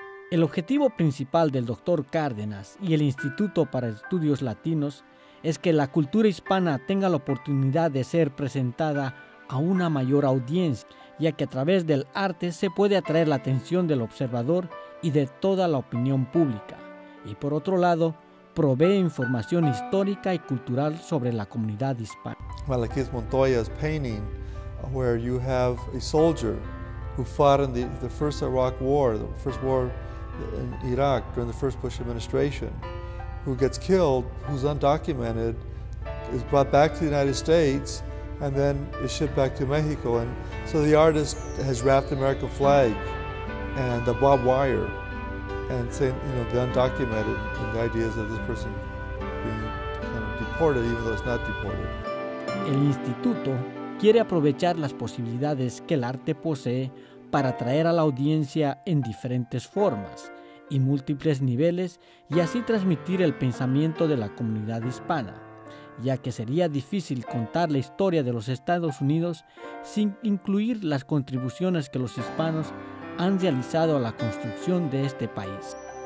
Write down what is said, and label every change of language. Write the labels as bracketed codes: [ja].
[es] El objetivo principal del Dr. Cárdenas y el Instituto para Estudios Latinos es que la cultura hispana tenga la oportunidad de ser presentada a una mayor audiencia, ya que a través del arte se puede atraer la atención del observador y de toda la opinión pública, y por otro lado, provee información histórica y cultural sobre la comunidad hispana. [en] Malaquías Montoya's painting, where you have a soldier who fought in the first Iraq war, the first war in Iraq during the first Bush administration, who gets killed, who's undocumented, is brought back to the United States, and then is shipped back to Mexico. And so the artist has wrapped the American flag and the barbed wire and saying, you know, the undocumented, and the ideas of this person being kind of deported, even though it's not deported. [es] El Instituto quiere aprovechar las posibilidades que el arte posee para atraer a la audiencia en diferentes formas y múltiples niveles y así transmitir el pensamiento de la comunidad hispana, ya que sería difícil contar la historia de los Estados Unidos sin incluir las contribuciones que los hispanos han realizado a la construcción de este país.